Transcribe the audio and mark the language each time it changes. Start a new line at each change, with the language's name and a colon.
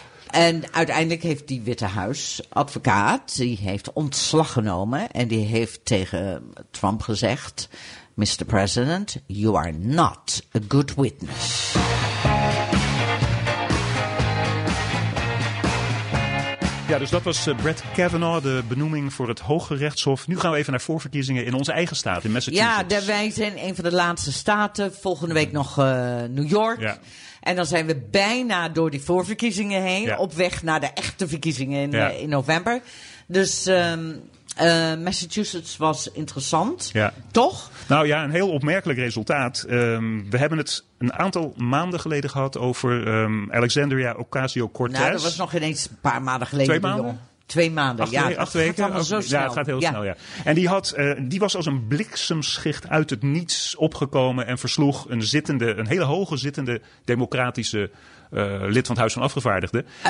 Dutch: En uiteindelijk heeft die Witte Huis advocaat, die heeft ontslag genomen en die heeft tegen Trump gezegd, Mr.
English: President, you are not a good witness.
Dutch: Ja, dus dat was Brett Kavanaugh, de benoeming voor het Hoge Rechtshof. Nu gaan we even naar voorverkiezingen in onze eigen staat, in Massachusetts. Ja, wij zijn een van de laatste staten, volgende week nog New York. Ja. En dan zijn we bijna door die voorverkiezingen heen. Ja. Op weg naar de echte verkiezingen in november. Dus Massachusetts was interessant. Ja. Toch? Nou ja, een heel opmerkelijk resultaat. We hebben het een aantal maanden geleden gehad over Alexandria Ocasio-Cortez. Nou, dat was nog ineens een paar maanden geleden. Twee maanden? Twee maanden, acht weken. Gaat zo snel. Ja, het gaat heel snel. En die was als een bliksemschicht uit het niets opgekomen en versloeg een hele hoge zittende democratische lid van het Huis van Afgevaardigden.